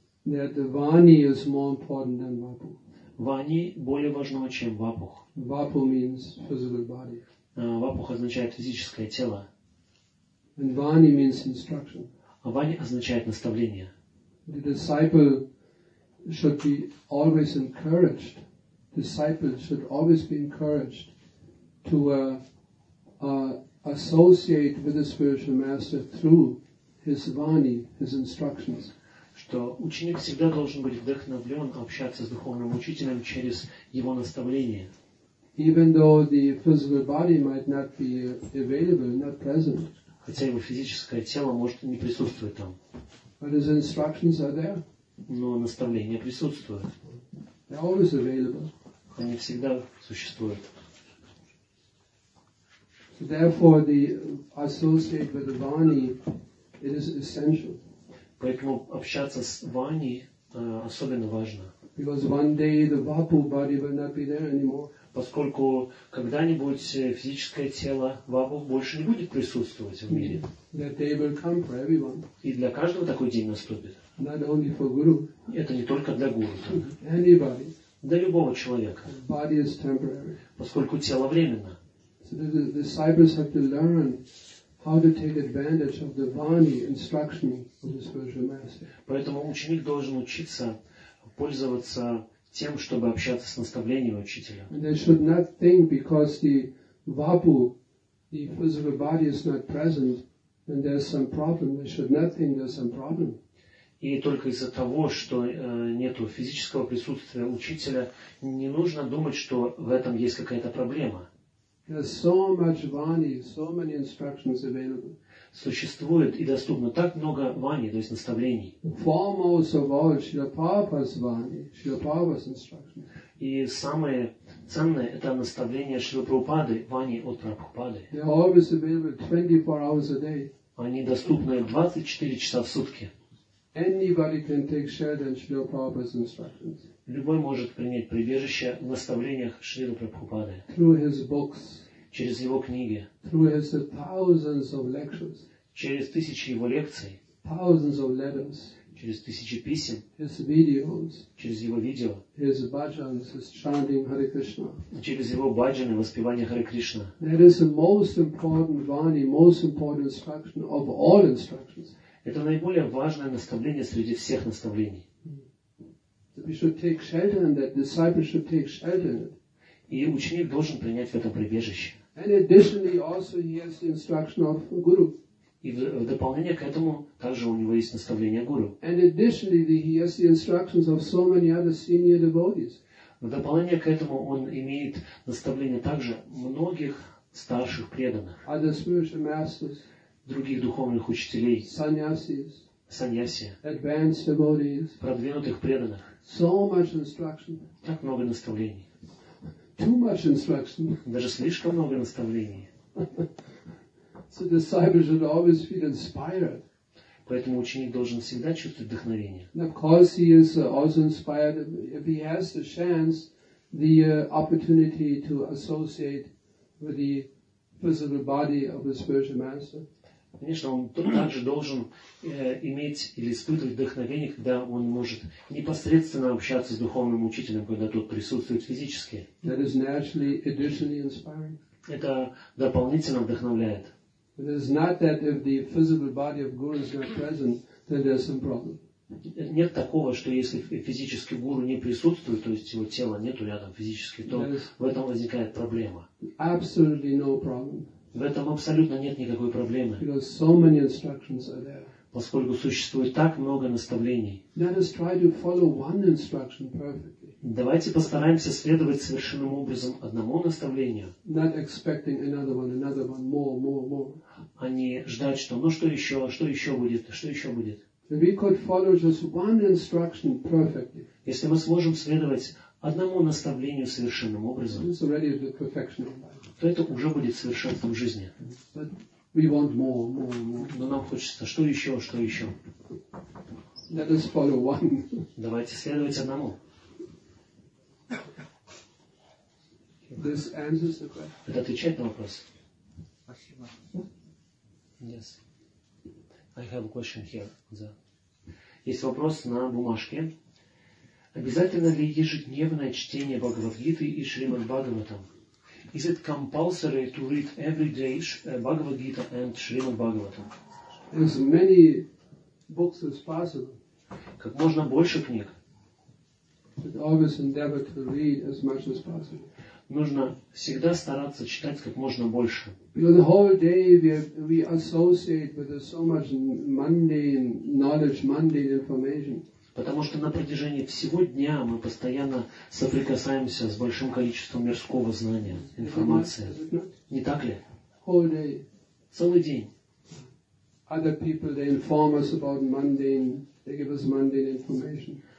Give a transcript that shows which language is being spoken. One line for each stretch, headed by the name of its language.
English: Вани is more important than Вапу.
Russian: Вани более важного, чем Вапух.
English: Вапу means physical body.
Russian: Вапух означает физическое тело.
English: And Вани means instruction.
Russian: А Вани означает наставление.
English: The disciple should be always encouraged. Disciples should always be encouraged to associate with the spiritual master through his vani, his instructions.
Russian: Что ученик всегда должен быть вдохновлен общаться с духовным учителем через его наставление.
English: Even though the physical body might not be available, not present.
Russian: Хотя его физическое тело может не присутствовать там.
English: But his instructions are there.
Russian: Но наставление присутствует.
English: They're always available.
Russian: Они всегда существуют.
English: Therefore, the associate with the Vani, it is essential.
Russian: Поэтому общаться с Вани особенно важно.
English: Because one day the Vapu body will not be there anymore.
Russian: Поскольку когда-нибудь физическое тело Вапу больше не будет присутствовать в мире.
English: That day will come for everyone.
Russian: И для каждого такой день наступит.
English: Not only for guru.
Russian: Это не только для гуру.
English: Anybody.
Russian: Для любого человека.
English: Body is temporary.
Russian: Поскольку тело временно.
English: So the disciples have to learn how to take advantage of the Vani instruction of the spiritual master.
Russian: Поэтому ученик должен учиться пользоваться тем, чтобы общаться с наставлением учителя.
English: And they should not think because the Vapu, the physical body is not present, and there's some problem. They should not think there's some problem.
Russian: И только из-за того, что нету физического присутствия учителя, не нужно думать, что в этом есть какая-то проблема.
English: There's so much Vani, so many instructions available.
Russian: Существует и доступно так много Вани, то есть наставлений.
English: Foremost of all, Śrīla Prabhupāda's Vani, Śrīla Prabhupāda's instructions.
Russian: И самое ценное – это наставление Śrīla Prabhupāda, Вани от Прабхупады.
English: They're always available 24 hours a day.
Russian: Они доступны 24 часа в сутки.
English: Anybody can take shelter in Śrīla Prabhupāda's instructions.
Russian: Любой может принять прибежище в наставлениях Шрилы Прабхупады.
English: Through his books.
Russian: Через его книги.
English: Through his thousands of lectures.
Russian: Через тысячи его лекций.
English: Thousands of letters.
Russian: Через тысячи писем.
English: His videos.
Russian: Через его видео.
English: His bhajans, his chanting Hare Krishna.
Russian: Через его бхаджаны, воспевание Харе Кришна.
English: That is the most important vani, most important instruction of all instructions.
Russian: Это наиболее важное наставление среди всех наставлений.
English: We should take shelter in that. Disciples should take shelter in it.
Russian: И ученик должен принять в этом прибежище.
English: And additionally, also he has the instruction of guru.
Russian: И в дополнение к этому также у него есть наставление гуру.
English: And additionally, he has the instructions of so many other senior devotees.
Russian: В дополнение к этому он имеет наставление также многих старших преданных.
English: Other spiritual masters.
Russian: Других духовных учителей.
English: Sannyasis.
Russian: Sannyasi.
English: Advanced devotees.
Russian: Продвинутых преданных.
English: So much instruction.
Russian: Так много наставлений.
English: Too much instruction.
Russian: Даже слишком много наставлений.
English: So disciples should always feel inspired.
Russian: Поэтому ученик должен всегда чувствовать вдохновение.
English: And of course he is also inspired if he has the chance, the opportunity to associate with the physical body of the spiritual master.
Russian: Конечно, он также должен иметь или испытывать вдохновение, когда он может непосредственно общаться с духовным учителем, когда тот присутствует физически.
English: That is naturally additionally inspiring.
Russian: Это дополнительно вдохновляет.
English: It is not that if the physical body of guru is not present, then there's some problem.
Russian: Нет такого, что если физический гуру не присутствует, то есть его тела нету рядом физически, то в этом возникает проблема.
English: Absolutely no problem.
Russian: В этом абсолютно нет никакой проблемы.
English: Because so many instructions are there.
Russian: Поскольку существует так много наставлений.
English: Let us try to follow one instruction perfectly.
Russian: Давайте постараемся следовать совершенным образом одному наставлению.
English: Not expecting another one, more, more, more.
Russian: А не ждать, что ну что еще будет, что еще будет.
English: If we could follow just one instruction perfectly.
Russian: Если мы сможем следовать одному наставлению совершенным образом,
English: it's already the perfection of life.
Russian: То это уже будет совершенством жизни.
English: But we want more, more, more.
Russian: Но нам хочется что еще, что еще.
English: Let us follow one.
Russian: Давайте следовать одному.
English: This answers the question.
Russian: Это отвечает на вопрос? Спасибо.
English: Yes. I have a question here.
Russian: Есть вопрос на бумажке. Обязательно ли ежедневное чтение Бхагавад-гиты и Шримад-Бхагаватам?
English: Is it compulsory to read every day Bhagavad Gita and Srimad Bhagavatam? As many books as possible.
Russian: Как можно больше книг.
English: But always endeavor to read as much as possible.
Russian: Нужно всегда стараться читать как можно больше.
English: Because the whole day we associate with so much mundane knowledge, mundane information.
Russian: Потому что на протяжении всего дня мы постоянно соприкасаемся с большим количеством мирского знания, информации. Не так ли?
English: Whole day.
Russian: Целый день.
English: Other people, they inform us about mundane, they give us mundane information.